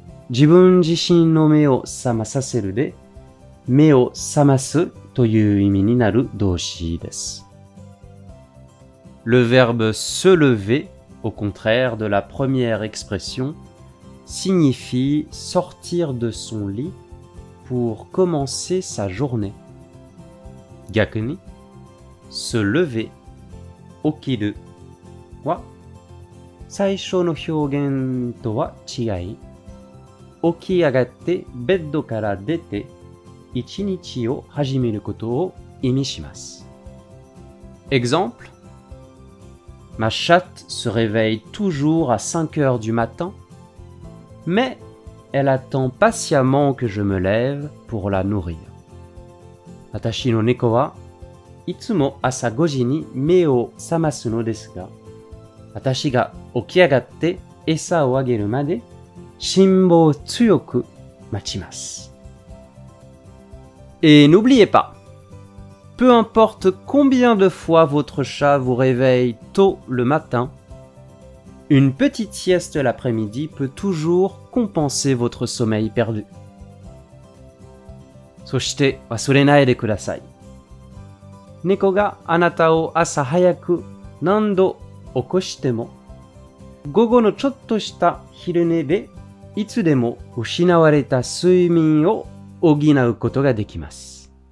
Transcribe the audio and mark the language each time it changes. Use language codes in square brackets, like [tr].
[ja] 自分自身の目を覚まさせるで、目を覚ますという意味になる動詞です。 [fr] Le verbe se lever, au contraire de la première expression, signifie sortir de son lit pour commencer sa journée. [ja] 逆に、se lever, 起きるは、最初の表現とは違い、起き上がってベッドから出て、一日を始めることを意味します。 [fr] Exemple? Ma chatte se réveille toujours à 5 heures du matin, mais elle attend patiemment que je me lève pour la nourrir. [ja] 私の猫はいつも朝5時に目を覚ますのですが、私が起き上がって餌をあげるまで辛抱強く待ちます。 [fr] Et n'oubliez pas! Peu importe combien de fois votre chat vous réveille tôt le matin, une petite sieste l'après-midi peut toujours compenser votre sommeil perdu. [ja] そして忘れないでください。猫があなたを朝早く何度起こしても、午後のちょっとした昼寝でいつでも失われた睡眠を補うことができます。